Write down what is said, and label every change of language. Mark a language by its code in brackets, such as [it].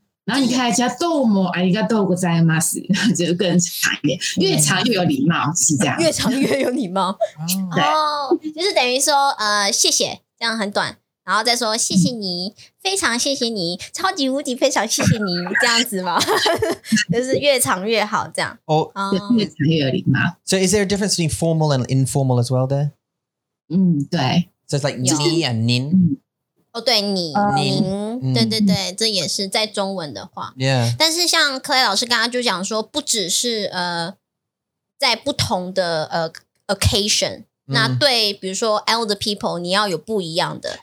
[zh] 然后你看一下 [ja] どうもありがとうございます， [zh] 就更长一点，越长越有礼貌，是这样。越长越有礼貌，对，就是等于说谢谢，这样很短，然后再说谢谢你，非常谢谢你，超级无敌非常谢谢你，这样子嘛，就是越长越好，这样。越长越有礼貌。 [en] So is there a difference between formal and informal as well there？ [zh] 对。 [en] So it's like 你 and 您。 [zh] 对，你您，对对对，这也是在中文的话。 [en] Yeah. [zh] 但是像 Clay 老师刚刚就讲说，不只是在不同的occasion，那对，比如说 elder people， 你要有不一样的。